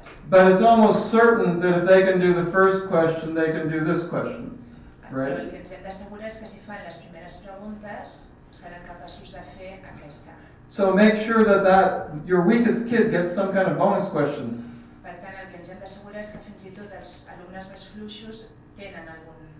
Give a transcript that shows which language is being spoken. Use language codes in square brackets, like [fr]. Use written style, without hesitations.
[en] But it's almost certain that if they can do the first question, they can do this question. Right. [ca] El que ens hem d'assegurar és que si fan les primeres preguntes seran capaços de fer aquesta. [en] So make sure that your weakest kid gets some kind of bonus question. [ca] Per tant, el que ens hem d'assegurar és que fins i tot els alumnes més fluixos tenen algun...